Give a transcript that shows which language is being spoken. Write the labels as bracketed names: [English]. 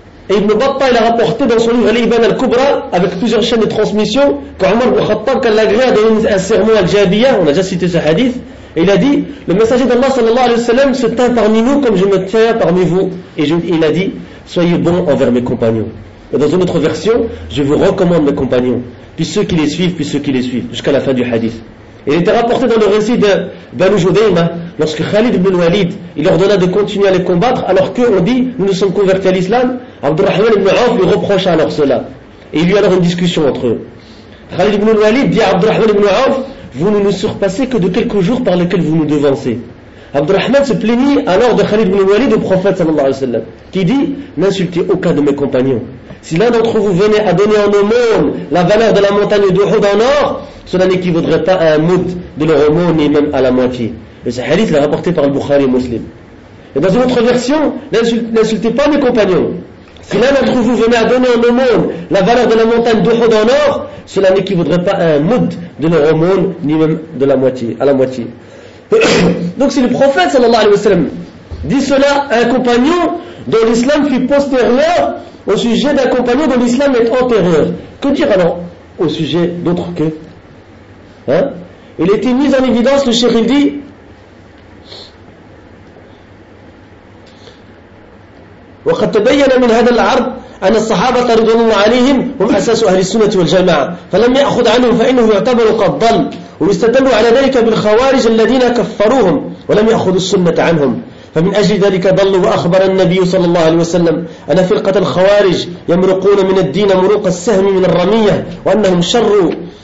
[French] Ibn Battah il a rapporté dans son livre l'Ibn al-Kubra avec plusieurs chaînes de transmission qu'Omar ibn Khattab qu'elle a agréé à donner un sermon à Jabiya on a déjà cité ce hadith il a dit le messager d'Allah صلى الله عليه وسلم se tient parmi nous comme je me tiens parmi vous et il a dit soyez bons envers mes compagnons Et dans une autre version, je vous recommande mes compagnons, puis ceux qui les suivent, puis ceux qui les suivent, jusqu'à la fin du hadith. Il était rapporté dans le récit de Banu Judayma, lorsque Khalid ibn Walid, il ordonna de continuer à les combattre, alors qu'on dit, nous nous sommes convertis à l'islam, Abdurrahman ibn Auf lui reprocha alors cela. Et il y eut alors une discussion entre eux. Khalid ibn Walid dit à Abdurrahman ibn Auf, vous ne nous surpassez que de quelques jours par lesquels vous nous devancez. Abdurrahman se plaignit alors de Khalid ibn Walid au prophète sallallahu alayhi wa sallam, qui dit, n'insultez aucun de mes compagnons. Si l'un d'entre vous venait à donner en aumône la valeur de la montagne d'Uhud en or, cela n'équivaudrait pas à un mout de leur aumône ni même à la moitié. Et ce hadith est rapporté par le Bukhari muslim. Et dans une autre version, n'insultez pas mes compagnons. Si l'un d'entre vous venait à donner en aumône la valeur de la montagne d'Uhud en or, cela n'équivaudrait pas à un mout de leur aumône ni même de la moitié, à la moitié. Donc si le prophète sallallahu alayhi wa sallam dit cela à un compagnon dont l'islam fut postérieur, au sujet d'un compagnon dont l'islam est antérieur. Que dire alors au sujet d'autre que hein? Il a été mis en évidence, le cheikh il dit, [Arabic] وَقَدْ تَبَيَّنَ مِنْ هَذَا الْعَرْضِ أَنَ الصَّحَابَةَ رضي الله عليهم هم أساس أهل السنة والجماعة فلم يأخذ عنهم فإنه يعتبر قد ضل ويستدل على ذلك بالخوارج الذين كفروهم ولم يأخذوا السنة عنهم فمن أجل ذلك ضلوا وأخبر النبي صلى الله عليه وسلم أن فرقة الخوارج يمرقون من الدين مروق السهم من الرمية وأنهم شر